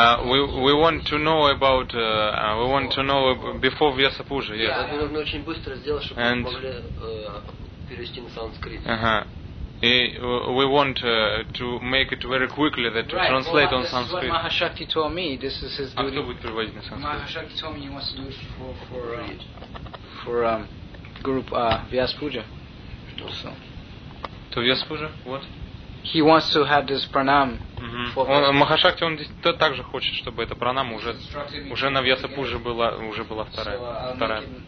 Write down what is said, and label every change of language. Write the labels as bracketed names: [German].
[English] We want to know about we want to know before Vyasapuja. Yes. [Russian] And перевести на санскрит. [English] We want to make it very quickly that right. To translate well, on Sanskrit. What Mahashakti told me, this is his duty. [Russian] Кто будет переводить на санскрит? [English] Mahashakti told me he wants to do it for Guru Vyas Puja. So. To Vyas Puja? What? He wants to have this pranam. Mm-hmm. [Russian] Mahashakti он также хочет, чтобы эта пранама уже на Вьяса Пуджа была вторая.